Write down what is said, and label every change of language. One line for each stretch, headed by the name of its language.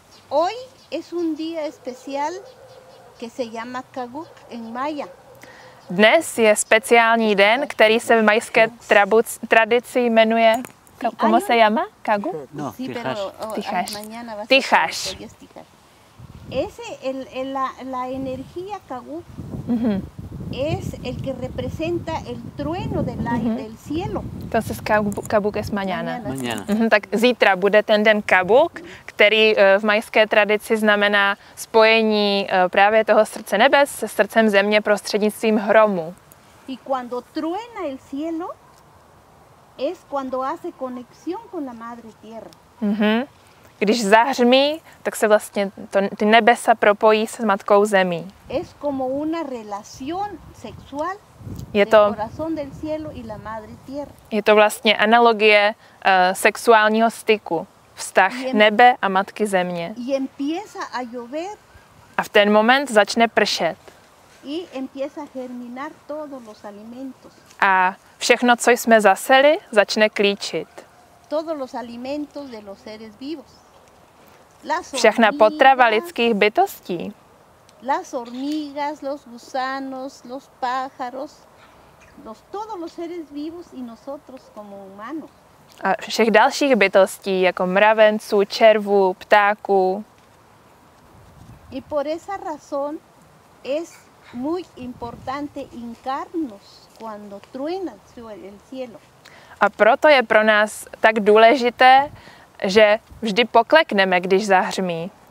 Spanish: Hoy es un día especial que se llama Kaguk en Maya.
Czech: Dnes je speciální den, který se v majské tradici jmenuje
Spanish: ¿cómo se llama? Kaguk? No, Tichash. Tichash. Ese la energía Kaguk. Es el que representa el trueno del aire, del cielo. Entonces Kaguk es mañana. Mañana.
Czech: Tak zítra bude ten den Kaguk, který v majské tradici znamená spojení právě toho srdce nebes se srdcem země prostřednictvím hromu.
Spanish: Y cuando truena el cielo es cuando hace conexión con la madre tierra.
Czech: Když zahřmí, tak se vlastně ty nebesa propojí se s matkou zemí.
Spanish: Es como una relación sexual.
Czech: Je to
Spanish: corazón del cielo y la madre tierra.
Czech: Je to vlastně analogie sexuálního styku, vztah nebe a matky země.
Spanish: Y empieza a llover.
Czech: A v ten moment začne pršet.
Spanish: Y empieza a germinar todos los alimentos.
Czech: A všechno, co jsme zaseli, začne klíčit.
Spanish: Todos los alimentos de los seres vivos.
Czech: Všechna potrava lidských bytostí.
Spanish: Las hormigas, los gusanos, los pájaros, todos los seres vivos y nosotros como humanos.
Czech: A všech dalších bytostí, jako mravenců, červů, ptáků.
Spanish: Y por esa razón es muy importante hincarnos cuando truena el cielo.
Czech: A proto je pro nás tak důležité, že vždy poklekneme, když zahřmí.